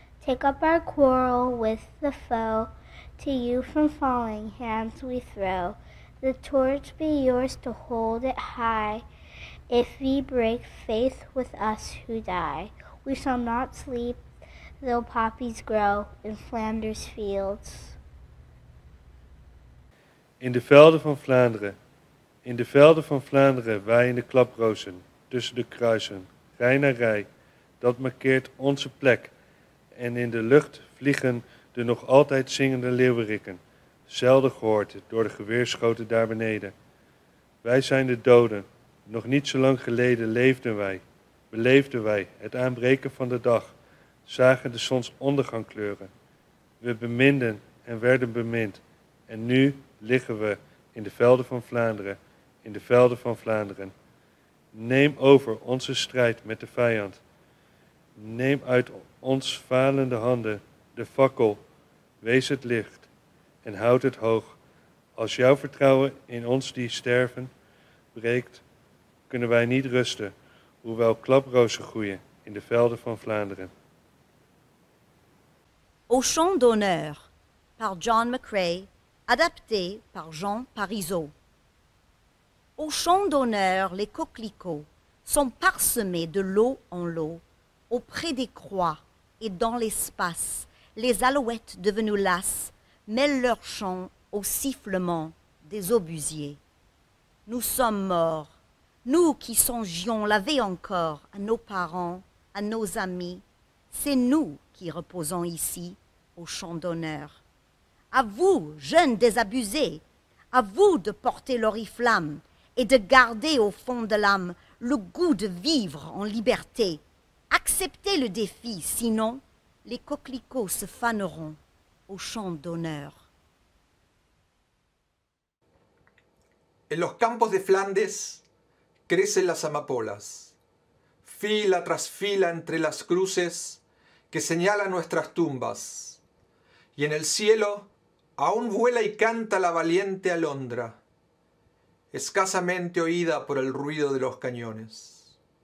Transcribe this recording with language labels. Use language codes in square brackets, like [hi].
[en] Take up our quarrel with the foe, to you from falling hands we throw. The torch be yours to hold it high, if we break faith with us who die. We shall not sleep, though poppies grow in Flanders Fields. In the [nl] velden van Vlaanderen. In de velden van Vlaanderen waaien de klaprozen, tussen de kruisen, rij na rij, dat markeert onze plek. En in de lucht vliegen de nog altijd zingende leeuwerikken, zelden gehoord door de geweerschoten daar beneden. Wij zijn de doden. Nog niet zo lang geleden leefden wij. Beleefden wij het aanbreken van de dag. Zagen de zonsondergang kleuren. We beminden en werden bemind. En nu liggen we in de velden van Vlaanderen. In de velden van Vlaanderen. Neem over onze strijd met de vijand. Neem uit ons falende handen de fakkel. Wees het licht en houd het hoog. Als jouw vertrouwen in ons die sterven breekt, kunnen wij niet rusten, hoewel klaprozen groeien in de velden van Vlaanderen. [fr] Au chant d'honneur, par John McCrae, adapté par Jean Parizeau. Au chant d'honneur, les coquelicots sont parsemés de l'eau en l'eau, auprès des croix et dans l'espace. Les alouettes devenues lasses mêlent leur chant au sifflement des obusiers. Nous sommes morts, nous qui songions laver encore à nos parents, à nos amis, c'est nous qui reposons ici au champ d'honneur. À vous, jeunes désabusés, à vous de porter l'oriflamme et de garder au fond de l'âme le goût de vivre en liberté. Acceptez le défi, sinon les coquelicots se faneront au champ d'honneur. [es] En los campos de Flandes crecen las amapolas, fila tras fila entre las cruces que señalan nuestras tumbas. Y en el cielo aún vuela y canta la valiente alondra, escasamente oída por el ruido de los cañones.